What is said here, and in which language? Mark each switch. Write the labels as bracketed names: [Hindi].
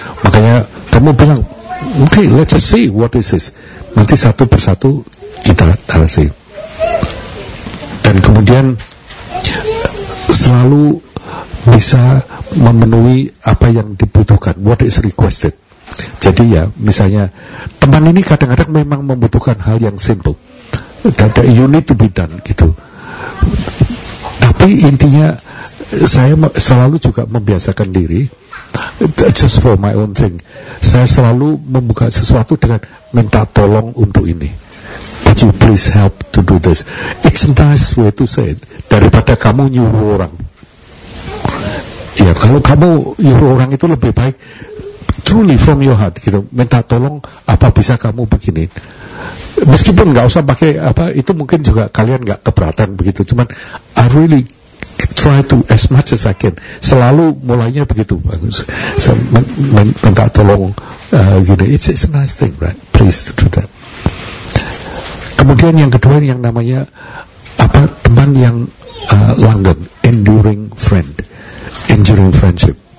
[Indonesian] Makanya kamu bilang, [English] okay, let's just see what is this. [Indonesian] Nanti satu persatu kita tarasi. Dan kemudian selalu bisa memenuhi apa yang dibutuhkan, [English] what is requested. [Indonesian] Jadi ya, misalnya teman ini kadang-kadang memang membutuhkan hal yang simple, [English] that you need to be done, [Indonesian] gitu. Tapi intinya saya selalu juga membiasakan diri, [English] just for my own thing, [Indonesian] saya selalu membuka sesuatu dengan minta tolong untuk ini. [English] Would you please help to do this? It's a nice way to say it, [Indonesian] daripada kamu nyuruh orang. Ya, kalau kamu nyuruh orang itu lebih baik [English] truly from your heart [Indonesian] gitu, minta tolong apa bisa kamu begini. Meskipun enggak usah pakai apa, itu mungkin juga kalian enggak keberatan begitu. Cuman [English] I really try to as much as I can. [Indonesian] Selalu mulainya begitu, bagus. Minta tolong gitu. [English] It's a nice thing, right? Please to do that. [Indonesian] Kemudian yang kedua yang namanya apa, teman yang langgeng, [English] enduring friend, enduring friendship.